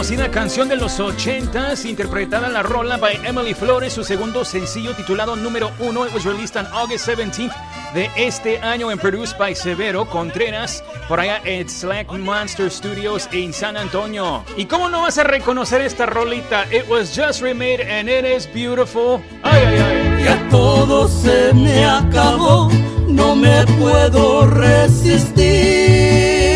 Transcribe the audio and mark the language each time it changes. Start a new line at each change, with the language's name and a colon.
Spanish: Canción de los 80s, interpretada la rola by Emily Flores, su segundo sencillo titulado Número 1.
English: It was released on August 17th
Spanish: de este año
English: and produced by Severo Contreras
Spanish: por allá
English: at Slack Monster Studios en San Antonio.
Spanish: ¿Y cómo no vas a reconocer esta rolita?
English: It was just remade and it is beautiful.
Spanish: Ay, ay, ay. Ya todo se me acabó, no me puedo resistir.